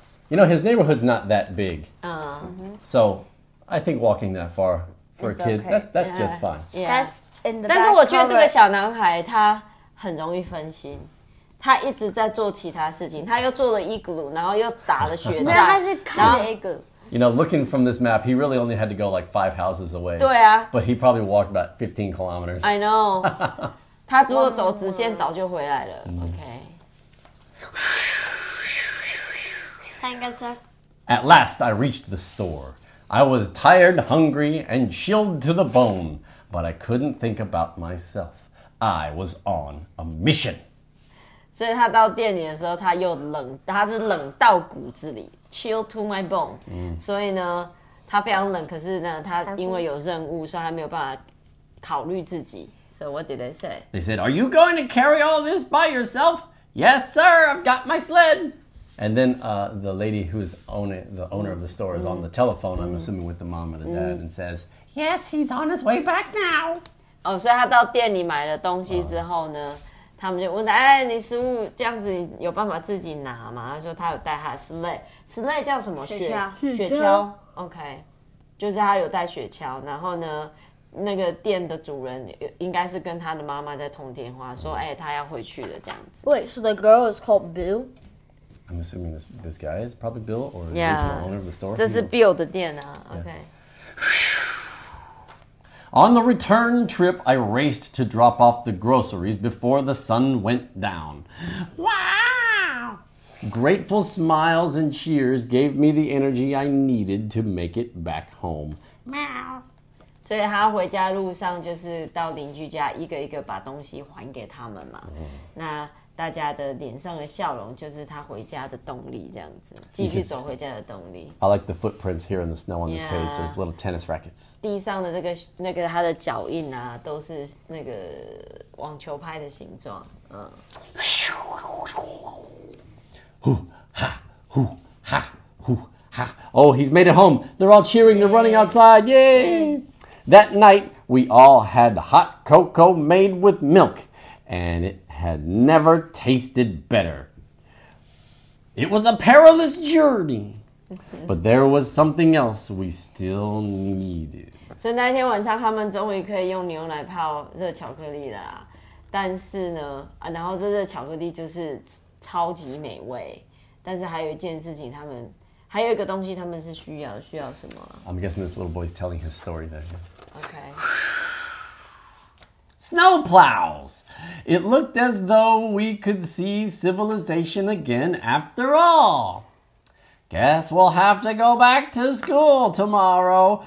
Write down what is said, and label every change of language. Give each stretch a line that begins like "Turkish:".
English: You know his neighborhood's not that big. So I think walking that far. For a kid, that's just fine. Yeah.
Chinese: 但是我觉得这个小男孩他很容易分心，他一直在做其他事情，他又做了 igloo， 然后又打了雪仗。没有，他是看 igloo。
English: You know, looking from this map, he really only had to go like 5 houses away.
Chinese: 对啊。
English: But he probably walked about 15 kilometers. I know.
Chinese: 他如果走直线，早就回来了。
English: Okay.
Chinese: 他应该是。
English: At last, I reached the store. I was tired, hungry, and chilled to the bone, but I couldn't think about myself. I was on a mission.
Chinese: 所以他到店里的时候，他又冷，他是冷到骨子里 ，
English: chill to my bone.
Chinese: 所以呢，他非常冷，可是呢，他因为有任务，所以他没有办法考虑自己。
English: So what did they say? They said, "Are you going to carry all this by yourself?" "Yes, sir. I've got my sled." And then the lady who is the owner of the store is on the telephone, I'm assuming with the mom and the dad, and says, Yes, he's on his way back now. Oh, so he went to the store and bought things. They asked him, Hey, your food, can you take it yourself? He said he had his sled. Sled is what? Snowshoe. Okay. So he had his snowshoe. And then the store owner should be with his mom on the phone, saying, Hey, he wants to go back. Wait, so the girl is called Bill? I'm assuming this guy is probably Bill or the original owner of the store. This is Bill
Chinese: 的店啊
English: okay. On the return trip, I raced to drop off the groceries before the sun went down. Wow! Grateful smiles and cheers gave me the energy I needed to make it back home. Wow!
Chinese: 所以他回家路上就是到邻居家一个一个把东西还给他们嘛。那大家的脸上的笑容就是他回家的动力这样子继续走回家的动力
English: I like the footprints here in the snow on this page yeah, those little tennis rackets
Chinese: 地上的这个那个他的脚印啊都是那个网球拍的形状
English: Oh, he's made it home. They're all cheering. They're running outside. Yay! That night, we all had hot cocoa made with milk, and it had never tasted better. It was a perilous journey, but there was something else we still needed.
Chinese: 所以那天晚上，他们终于可以用牛奶泡热巧克力了啦。但是呢，啊，然后这热巧克力就是超级美味。但是还有一件事情，他们还有一个东西，他们是需要，需要什么
English: ？I'm guessing this little boy is telling his story there. Okay. Snow plows. It looked as though we could see civilization again after all. Guess we'll have to go back to school tomorrow.